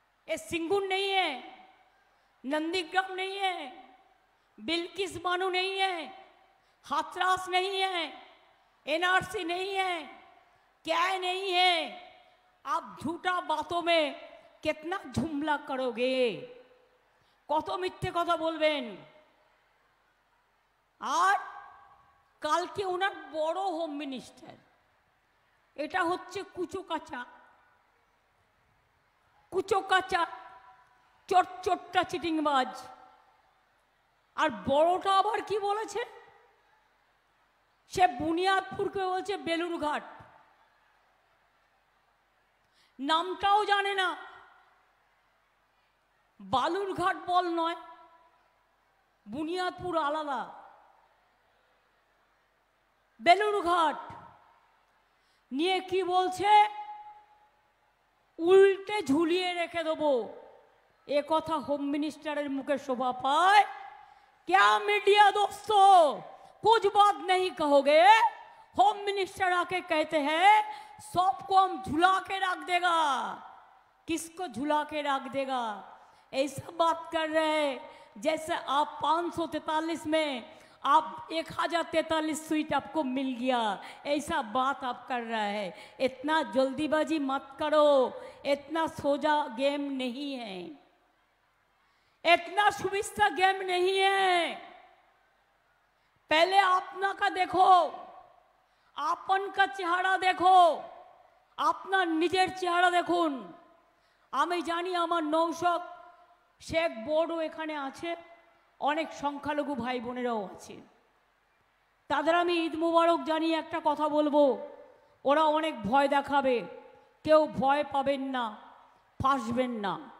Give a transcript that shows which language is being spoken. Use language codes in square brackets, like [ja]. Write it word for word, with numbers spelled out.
[hi] ये सिंगुन नहीं है, नंदीग्राम नहीं है, बिल्किस बानू नहीं है, हाथरस नहीं है, एनआरसी नहीं है, क्या नहीं है। आप झूठा बातों में कितना झुमला करोगे, [bn] কত মিথ্যে কথা বলবেন। আর কালকে ওনার বড় হোম মিনিস্টার, এটা হচ্ছে কুচোকাচা কুচোকাচা চটচটটা চিটিংবাজ। আর বড়টা আবার কি বলেছে, সে বুনিয়াদপুরকে বলছে বেলুরঘাট, নামটাও জানে না। বালুরঘাট বল নয়, বুনিয়াদপুর আলাদা, বেলুরঘাট নিয়ে কি বলছে, উল্টে ঝুলিয়ে রেখে দেবো। এ কথা হোম মিনিস্টারের মুখে শোভা পায়? [hi] क्या मीडिया दोस्तों, कुछ बात नहीं कहोगे? होम मिनिस्टर आके कहते हैं सबको हम झुला के रख देगा। किसको झुला के रख देगा? ऐसा बात कर रहे हैं जैसे आप पाँच सौ तैंतालीस में आप एक हजार तैंतालीस सीट आपको मिल गया, ऐसा बात आप कर रहे हैं। इतना जल्दीबाजी मत करो, इतना सोजा गेम नहीं है, इतना सुविस्ता गेम नहीं है। पहले अपना का देखो, आपन का चेहरा देखो, [bn] अपना निजेर चेहरा देखुन। আমি জানি আমার নৌশক শেখ বোর্ডও এখানে আছে, অনেক সংখ্যালঘু ভাই বোনেরাও আছে, তাদের আমি ঈদ মুবারক জানিয়ে একটা কথা বলবো। ওরা অনেক ভয় দেখাবে, কেউ ভয় পাবেন না, ফাঁসবেন না।